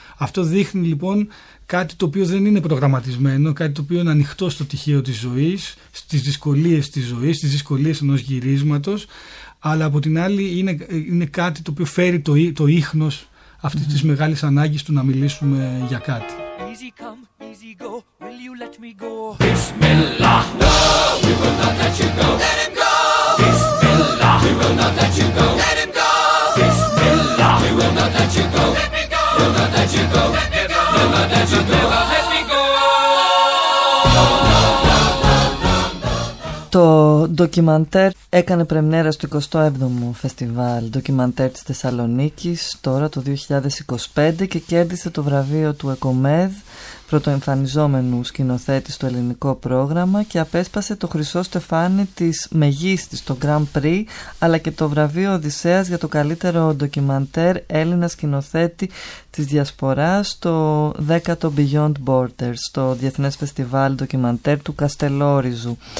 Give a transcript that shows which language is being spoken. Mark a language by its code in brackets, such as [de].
[el] Αυτό δείχνει λοιπόν κάτι το οποίο δεν είναι προγραμματισμένο, κάτι το οποίο είναι ανοιχτό στο τοιχείο της ζωής, στις δυσκολίες της ζωής, στις δυσκολίες ενός γυρίσματος, αλλά από την άλλη είναι κάτι το οποίο φέρει το ίχνος αυτής της μεγάλης ανάγκης του να μιλήσουμε για κάτι. [en] Easy come, easy go, will you let me go? Bismillah, no, we will not let you go. Let him go! Bismillah, we will not let you go. Let him go! Bismillah, we will not let you go. Let me go! We'll not let you go. Let me go! We'll not let you go. Never let me go! No, no, no, no, no, no, no. [el] Το ντοκιμαντέρ έκανε πρεμιέρα στο 27ο φεστιβάλ ντοκιμαντέρ της Θεσσαλονίκης τώρα το 2025 και κέρδισε το βραβείο του ΕΚΟΜΕΔ πρωτοεμφανιζόμενου σκηνοθέτη στο ελληνικό πρόγραμμα και απέσπασε το χρυσό στεφάνι της μεγίστης, το Grand Prix, αλλά και το βραβείο Οδυσσέας για το καλύτερο ντοκιμαντέρ Έλληνα σκηνοθέτη της Διασποράς στο 10ο Beyond Borders, στο Διεθνές Φεστιβάλ Ντοκιμαντέρ του Καστελόριζου.